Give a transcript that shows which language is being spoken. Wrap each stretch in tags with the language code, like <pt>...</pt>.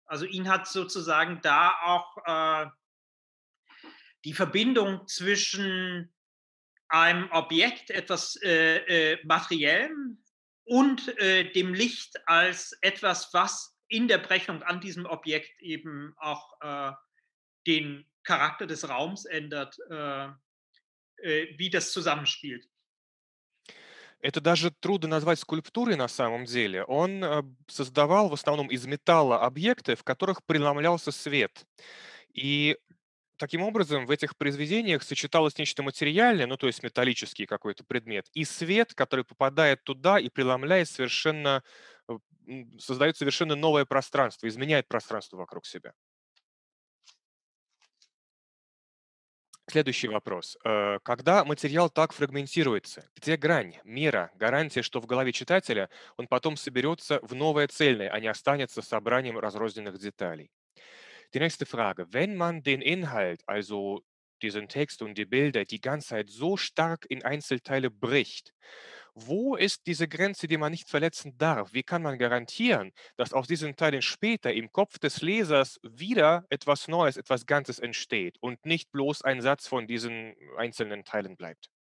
<de>Also ihn hat sozusagen da auch die Verbindung zwischen einem Objekt, etwas Materiellem und dem Licht als etwas, was in der Brechung an diesem Objekt eben auch den Charakter des Raums ändert, wie das zusammenspielt.</de> <ru>Это даже трудно назвать скульптурой на самом деле. Он создавал в основном из металла объекты, в которых преломлялся свет. И таким образом, в этих произведениях сочеталось нечто материальное, ну, то есть металлический какой-то предмет, и свет, который попадает туда и преломляет совершенно, создает совершенно новое пространство, изменяет пространство вокруг себя. Следующий вопрос. Когда материал так фрагментируется, где грань, мера, гарантия, что в голове читателя он потом соберется в новое цельное, а не останется собранием разрозненных деталей?</ru> <de>Die nächste Frage. Wenn man den Inhalt, also diesen Text und die Bilder, die ganze Zeit so stark in Einzelteile bricht, wo ist diese Grenze, die man nicht verletzen darf? Wie kann man garantieren, dass aus diesen Teilen später im Kopf des Lesers wieder etwas Neues, etwas Ganzes entsteht und nicht bloß ein Satz von diesen einzelnen Teilen bleibt?</de>